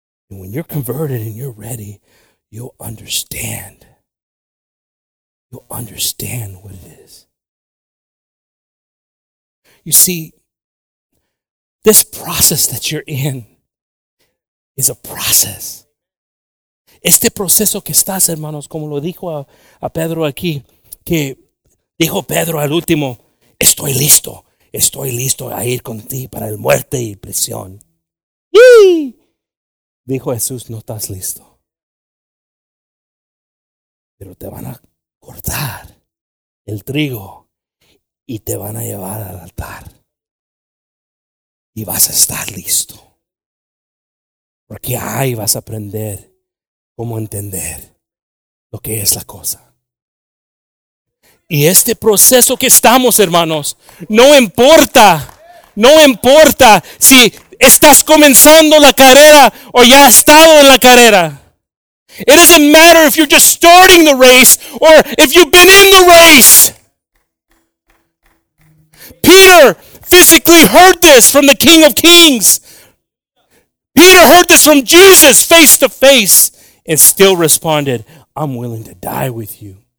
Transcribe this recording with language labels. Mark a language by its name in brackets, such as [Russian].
[English] And when you're converted and you're ready, you'll understand. You'll understand what it is. You see, this process that you're in is a process. [Spanish] Este proceso que estás, hermanos, como lo dijo a Pedro aquí, que dijo Pedro al último, estoy listo a ir con ti para la muerte y prisión. ¡Yee! Dijo Jesús, no estás listo. Pero te van a cortar el trigo y te van a llevar al altar. Y vas a estar listo. Porque ahí vas a aprender cómo entender lo que es la cosa. Y este proceso que estamos, hermanos, no importa. No importa si estás comenzando la carrera o ya has estado en la carrera. [English] It doesn't matter if you're just starting the race or if you've been in the race. Peter physically heard this from the King of Kings. Peter heard this from Jesus face to face and still responded, I'm willing to die with you.